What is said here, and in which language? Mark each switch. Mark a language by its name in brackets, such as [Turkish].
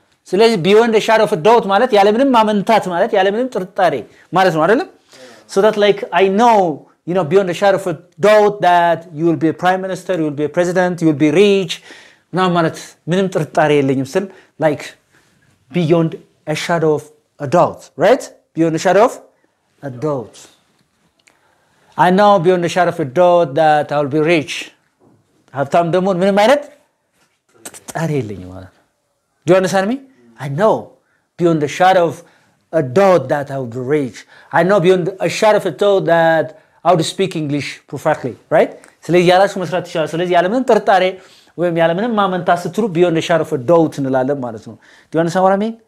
[Amharic] ስለዚህ beyond the shadow of a doubt ማለት ያለ ምንም ማመንታት ማለት ያለ ምንም ጥርጣሬ ማለት ነው አይደል? [English] So that like I know, you know, beyond the shadow of a doubt that you will be a prime minister, you will be a president, you will be rich. [Amharic] ነው ማለት ምንም ጥርጣሬ የለኝም ስል [English] like beyond a shadow of a doubt, right? Beyond the shadow of a doubt. I know beyond the shadow of a doubt that I will be rich. [Amharic] ሀብታም ደሞን ምንም አይነት ጥርጣሬ የለኝም ማለት ነው። [English] Do you understand me? I know beyond the shadow of a doubt that I would reach. I know beyond a shadow of a doubt that I would speak English perfectly, right? [Amharic] ስለዚህ ያላችሁ መስራት ይችላል። ስለዚህ ያለ ምንም ጥርጣሬ ወይም ያለ ምንም ማመንታት ስትሩ beyond the shadow of a doubt እንላለን ማለት ነው። [English] Do you understand what I mean?